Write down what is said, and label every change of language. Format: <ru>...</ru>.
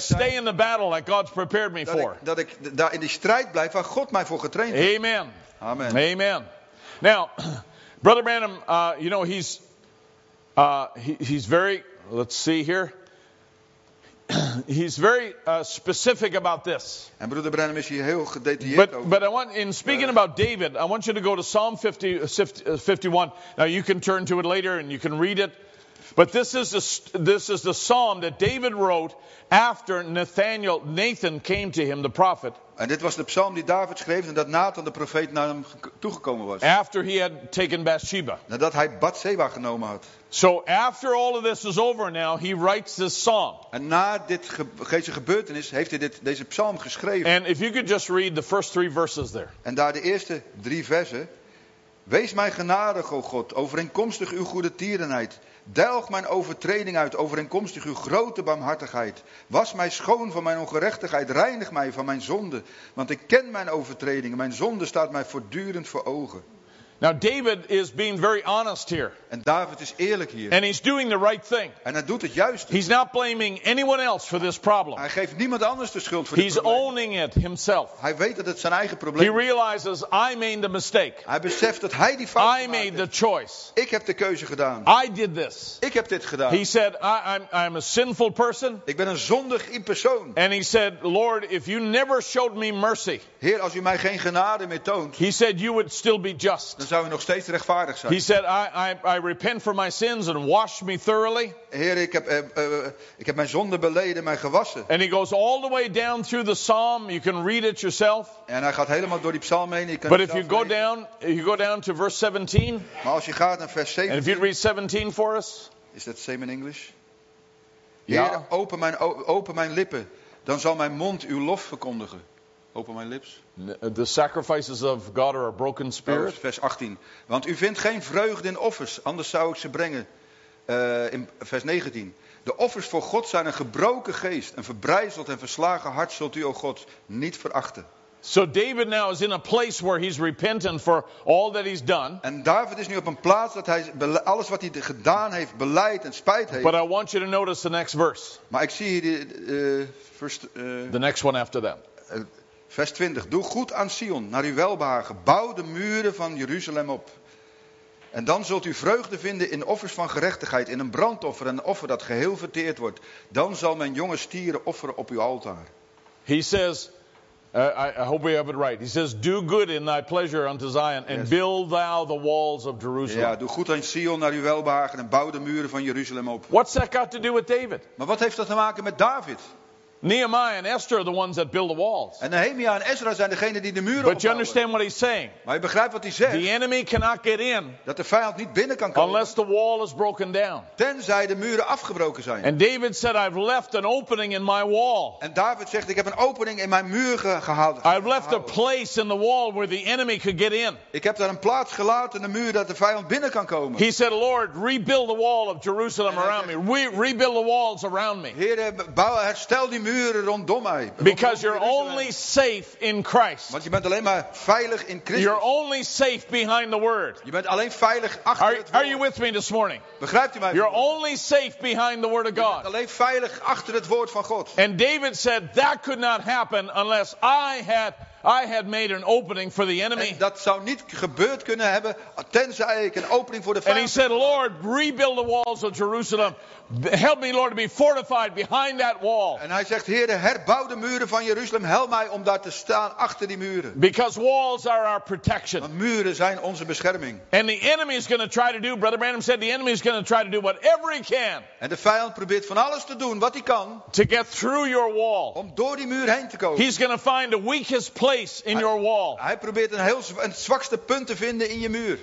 <en>That I stay in the battle that God's prepared me for.</en> <nl>Dat ik daar in die strijd blijf waar God mij voor getraind heeft.</nl> <en>Amen. Amen. Amen. Now, Brother Branham, you know he's very. Let's see here. He's very specific about this.</en> <nl>En Broeder Branham is hier heel gedetailleerd over.</nl> <en>But I want, in speaking about David, I want you to go to Psalm 51. Now you can turn to it later and you can read it. But this is the psalm that David wrote after Nathan came to him, the prophet.</en> <nl>En dit was de psalm die David schreef en dat Nathan de profeet naar hem toegekomen was.</nl> <en>After he had taken Bathsheba.</en> <nl>Nadat hij Bathsheba genomen had.</nl> <en>So after all of this is over now, he writes this psalm.</en> <nl>En na deze gebeurtenis heeft hij deze psalm geschreven.</nl> <en>And if you could just read the first three verses there.</en> <nl>En daar de eerste drie versen. Wees mij genadig, o God, overeenkomstig uw goede tierenheid. Delg mijn overtreding uit, overeenkomstig uw grote barmhartigheid. Was mij schoon van mijn ongerechtigheid, reinig mij van mijn zonde. Want ik ken mijn overtredingen, mijn zonde staat mij voortdurend voor ogen.</nl> <en>Now David is being very honest here.</en> <nl>En David is eerlijk hier.</nl> <en>And he's doing the right thing.</en> <nl>En hij doet het juiste.</nl> <en>He's not blaming anyone else for this problem.</en> <nl>Hij geeft niemand anders de schuld voor dit probleem.</nl> <en>He's owning it himself.</en> <nl>Hij weet dat het zijn eigen probleem is.</nl> <en>He realizes I made the mistake.</en> <nl>Hij beseft dat hij die fout gemaakt heeft.</nl> <en>I made the choice.</en> <nl>Ik heb de keuze gedaan.</nl> <en>I did this.</en> <nl>Ik heb dit gedaan.</nl> <en>He said I'm a sinful person.</en> <nl>Ik ben een zondig in persoon.</nl> <en>And he said, Lord, if you never showed me mercy.</en> <nl>Heer, als u mij geen genade meer toont.</nl> <en>He said you would still be just.</en> <nl>Dan zou je nog steeds rechtvaardig zijn.</nl> <en>He said, I repent for my sins and wash me thoroughly.</en> <nl>Heer, ik heb mijn zonde beleden, mijn gewassen.</nl> <en>And he goes all the way down through the psalm. You can read it yourself.</en> <nl>En hij gaat helemaal door die psalm heen.</nl> <en>But if you go down, to verse 17.</en> <nl>Maar als je gaat naar vers 17.</nl> <en>And if you read 17 for us. Is that same in English? Heer,</en> <nl>ja. Open mijn lippen. Dan zal mijn mond uw lof verkondigen.</nl> <en>Open my lips. The sacrifices of God are a broken spirit.</en> <nl>Vers 18. Want u vindt geen vreugde in offers, anders zou ik ze brengen. in vers 19. De offers voor God zijn een gebroken geest, een verbrijzeld en verslagen hart zult u, o God, niet verachten.</nl> <en>So David now is in a place where he's repentant for all that he's done.</en> <nl>En David is nu op een plaats dat hij alles wat hij gedaan heeft beleid en spijt heeft.</nl> <en>But I want you to notice the next verse.</en> <nl>Maar ik zie hier de first.</nl> <en>The next one after that.</en> <nl>Vers 20. Doe goed aan Sion, naar uw welbehagen. Bouw de muren van Jeruzalem op. En dan zult u vreugde vinden in offers van gerechtigheid, in een brandoffer, een offer dat geheel verteerd wordt. Dan zal men jonge stieren offeren op uw altaar.</nl> <en>He says. I hope we have it right. He says, do good in thy pleasure unto Zion, and yes, build thou the walls of Jerusalem.</en> <nl>Ja, doe goed aan Sion, naar uw welbehagen, en bouw de muren van Jeruzalem op.</nl> <en>What's that got to do with David?</en> <nl>Maar wat heeft dat te maken met David?</nl> <en>Nehemiah and Esther are the ones that build the walls.</en> <nl>En Nehemia en Ezra zijn degene die de muren opbouwen.</nl> <en>But you understand what he's saying?</en> <nl>Maar je begrijpt wat hij zegt.</nl> <en>The enemy cannot get in.</en> <nl>Dat de vijand niet binnen kan komen.</nl> <en>Unless the wall is broken down.</en> <nl>Tenzij de muren afgebroken zijn.</nl> <en>And David said, I've left an opening in my wall.</en> <nl>En David zegt, ik heb een opening in mijn muur gehaald.</nl> <en>I've left a place in the wall where the enemy could get in.</en> <nl>Ik heb daar een plaats gelaten in de muur dat de vijand binnen kan komen.</nl> <en>He said, Lord, rebuild the wall of Jerusalem around me. Rebuild the walls around me.</en> <nl>Heer, herstel die muren.</nl> <en>Because you're only safe in Christ.</en> <nl>Want je bent alleen maar veilig in Christus.</nl> <en>You're only safe behind the Word.</en> <nl>Je bent alleen veilig achter het woord.</nl> <en>Are you with me this morning?</en> <nl>Begrijpt u mij?</nl> <en>You're only safe behind the Word of God.</en> <nl>Je bent alleen veilig achter het woord van God.</nl> <en>And David said that could not happen unless I had made an opening for the enemy.</en> <nl>En dat zou niet gebeurd kunnen hebben tenzij ik een opening voor de vijand.</nl> <en>And he said, Lord, rebuild the walls of Jerusalem. Help me, Lord, to be fortified behind that wall.</en> <nl>En hij zegt, Heer, herbouw de muren van Jeruzalem. Help mij om daar te staan achter die muren.</nl> <en>Because walls are our protection.</en> <nl>Want muren zijn onze bescherming.</nl> <en>And the enemy is going to try to do. Brother Branham said, the enemy is going to try to do whatever he can.</en> <nl>En de vijand probeert van alles te doen wat hij kan.</nl> <en>To get through your wall.</en> <nl>Om door die muur heen te komen.</nl> <en>He's going to find the weakest place in your wall.</en> <nl>Hij probeert een zwakste punt te vinden in je muur.</nl>